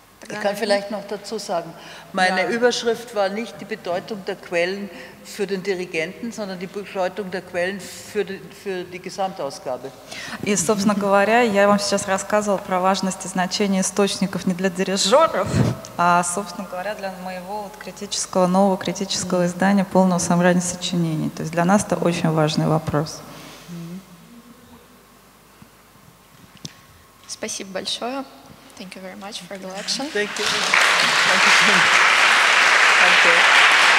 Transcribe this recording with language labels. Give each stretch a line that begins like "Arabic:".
German: Ich kann vielleicht noch dazu sagen, meine Überschrift war nicht die Bedeutung der Quellen für den Dirigenten, sondern die Bedeutung der Quellen für die Gesamtausgabe.
Russian: И, собственно говоря, я вам сейчас рассказывал про важность и значение источников не для дирижеров, а, собственно говоря, для моего вот критического, нового критического издания полного собрания сочинений. То есть для нас это очень важный вопрос. Спасибо большое.
English: Thank you very much for the lecture. Thank you. Thank you. Thank you.